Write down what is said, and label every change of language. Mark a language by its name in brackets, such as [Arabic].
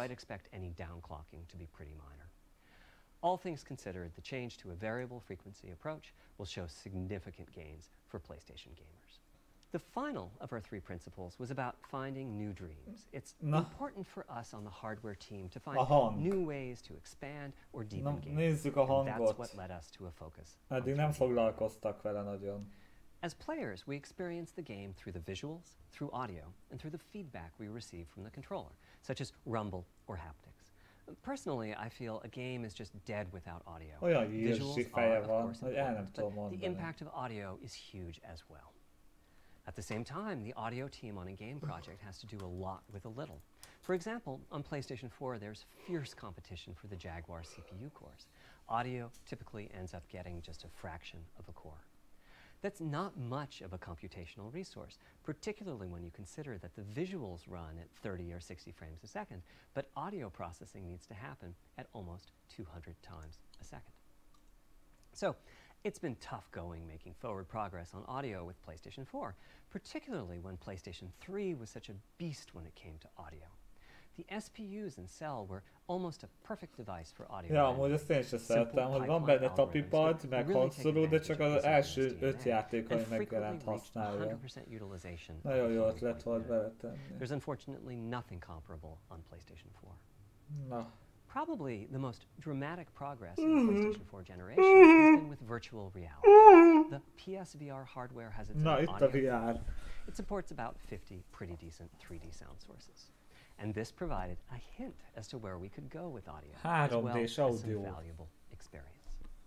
[English] so I'd expect any downclocking to be pretty minor. All things considered, the change to a variable frequency approach will show significant gains for PlayStation gamers. The final of our three principles was about finding new dreams. It's important for us on the hardware team to find new ways to expand or deepen games. That's what led us to a focus. [Hungarian] Eddig nem foglalkoztak vele nagyon. [English] As players, we experience the game through the visuals, through audio, and through the feedback we receive from the controller, such as rumble or haptics. Personally, I feel a game is just dead without audio. Olyan visuals feje are, van, of course, important, but the impact of audio is huge as well. At the same time, the audio team on a game project has to do a lot with a little. For example, on PlayStation 4, there's fierce competition for the Jaguar CPU cores. Audio typically ends up getting just a fraction of a core. That's not much of a computational resource, particularly when you consider that the visuals run at 30 or 60 frames a second, but audio processing needs to happen at almost 200 times a second. So, it's been tough going making forward progress on audio with PlayStation 4, particularly when PlayStation 3 was such a beast when it came to audio. The SPUs and cell were almost a perfect device for audio. [Hungarian] Ja, amúgy azt én sem szerettem, hogy van benne tapipad, meg konzoló, de csak az első öt játék, ami megjelent, használja. Nagyon jó ötlet volt beletenni. [English] There's unfortunately nothing comparable on PlayStation 4. Na. Probably the most dramatic progress in the PlayStation 4 generation has been with virtual reality. The PSVR hardware has its own audio. It supports about 50 pretty decent 3D sound sources. And this provided a hint as to where we could go with audio, as well as some valuable experience.